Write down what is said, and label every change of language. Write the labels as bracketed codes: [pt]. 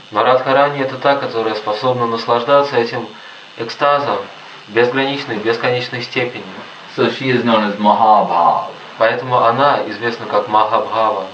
[ru] Но Радхарани это та, которая способна наслаждаться этим экстазом безграничной, бесконечной степени. [en] So she is known as Mahabhava. [ru] Поэтому она известна как Махабхава.